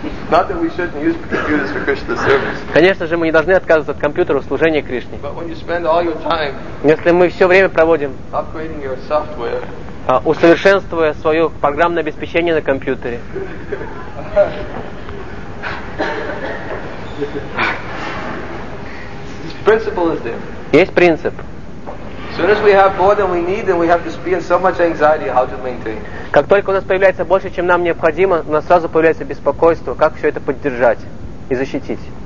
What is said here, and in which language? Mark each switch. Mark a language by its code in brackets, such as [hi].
[en] Not that we shouldn't use computers for Krishna service. [ru] Конечно же, мы не должны отказываться от компьютера в служении Кришне. [en] But when you spend all your time, [ru] если мы все время проводим [en] upgrading your software, [ru] усовершенствуя свое программное обеспечение на компьютере, [en] this principle is there. [ru] Есть принцип. [en] As soon as we have more than we need, then we have to feel so much anxiety how to maintain. [ru] Как только у нас появляется больше, чем нам необходимо, у нас сразу появляется беспокойство, как все это поддержать и защитить.